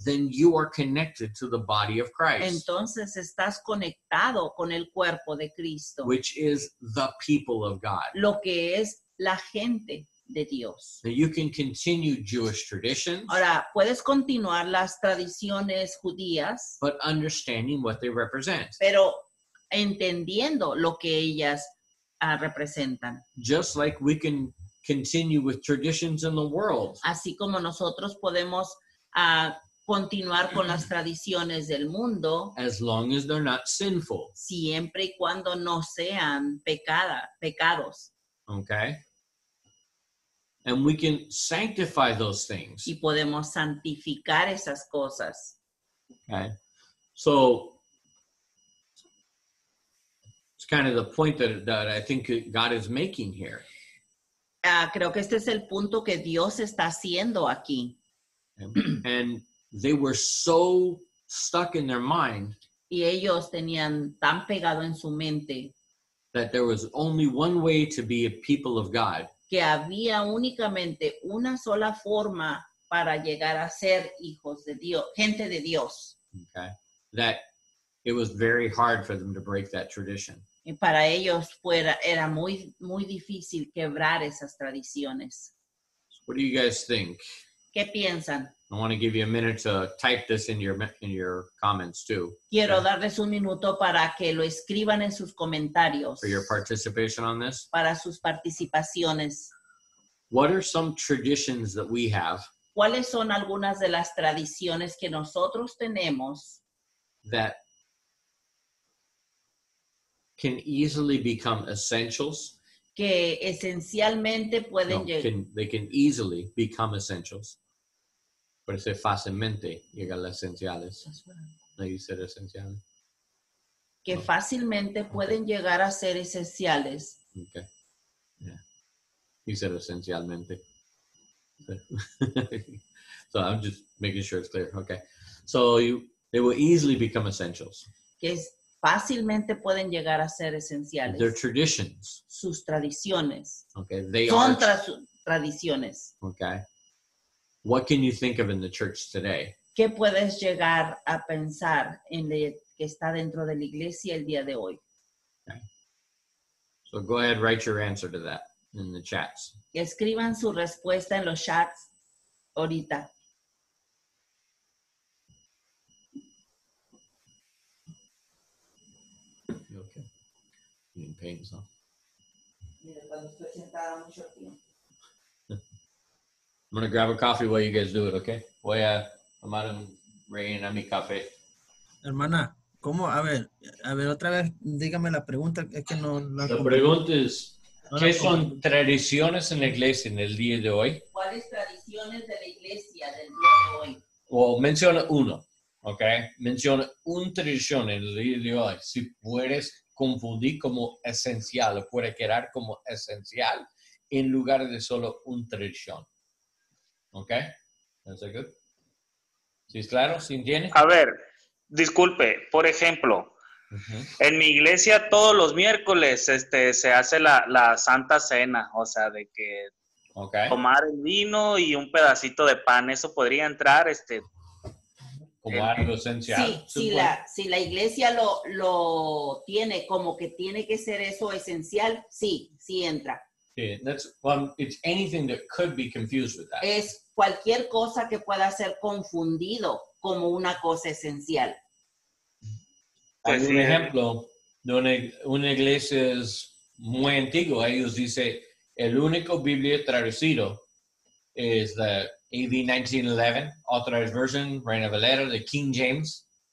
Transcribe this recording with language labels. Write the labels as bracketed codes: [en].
[en] Then you are connected to the body of Christ. [es] Entonces estás conectado con el cuerpo de Cristo. [en] Which is the people of God. [es] Lo que es la gente. de Dios. [en] Now you can continue Jewish traditions. [es] Ahora, puedes continuar las tradiciones judías. [en] But understanding what they represent. [es] Pero entendiendo lo que ellas representan. [en] Just like we can continue with traditions in the world. [es] Así como nosotros podemos continuar con las tradiciones del mundo. [en] As long as they're not sinful. [es] Siempre y cuando no sean pecados. [en] Okay. And we can sanctify those things. [es] Y podemos santificar esas cosas. [en] Okay. So, it's kind of the point that I think God is making here. [es] Creo que este es el punto que Dios está haciendo aquí. [en] And they were so stuck in their mind. [es] Y ellos tenían tan pegado en su mente. [en] That there was only one way to be a people of God. [es] Que había únicamente una sola forma para llegar a ser hijos de Dios, gente de Dios. [en] Okay. That it was very hard for them to break that tradition. [es] Y para ellos era muy, muy difícil quebrar esas tradiciones. [en] So what do you guys think? [es] ¿Qué piensan? [en] I want to give you a minute to type this in your comments too. [es] Quiero darles un minuto para que lo escriban en sus comentarios. [en] For your participation on this. [es] Para sus participaciones. [en] What are some traditions that we have? [es] ¿Cuáles son algunas de las tradiciones que nosotros tenemos? [en] That can easily become essentials. [es] Que esencialmente pueden no, llegar. [en] They can easily become essentials. [es] Puede ser fácilmente llegar a las esenciales. No hay ser esenciales. Que no. Fácilmente pueden llegar a ser esenciales. [en] Ok. Yeah. [es] Y ser esencialmente. [en] So I'm just making sure it's clear. Okay. So they will easily become essentials. [es] Que fácilmente pueden llegar a ser esenciales. [en] Their traditions. [es] Sus tradiciones. [en] Okay. They [es] son [en] are. [es] Son tradiciones. [en] Okay. What can you think of in the church today? [es] ¿Qué puedes llegar a pensar en lo que está dentro de la iglesia el día de hoy? [en] Okay. So go ahead, write your answer to that in the chats. [es] Escriban su respuesta en los chats ahorita. [en] You okay? You're in pain, so. I'm going to grab a coffee while you guys do it, okay? [es] Voy a tomar un rain a mi café. Hermana, ¿cómo? A ver, otra vez, dígame la pregunta. Es que no la comprendo. La pregunta es, ¿qué son tradiciones en la iglesia en el día de hoy? ¿Cuáles tradiciones de la iglesia del día de hoy? Well, menciona uno, okay? Menciona una tradición en el día de hoy. Si puedes confundir como esencial, o puede quedar como esencial en lugar de solo una tradición. [en] Okay, that's good. [es] ¿Sí es claro? ¿Sí entiende? A ver, disculpe, por ejemplo, uh-huh. En mi iglesia todos los miércoles se hace la Santa Cena, o sea, de que [en] okay. [es] Tomar el vino y un pedacito de pan, ¿eso podría entrar? Como algo esencial. Sí, si la iglesia lo tiene, como que tiene que ser eso esencial, sí, sí entra. [en] Yeah, that's well. It's anything that could be confused with that. [es] Es cualquier cosa que pueda ser confundido como una cosa esencial. Pues hay un ejemplo de una iglesia es muy antigua. Ellos dicen el único Biblia traducido es la AD 1911 Authorized Version Reina Valera de King James.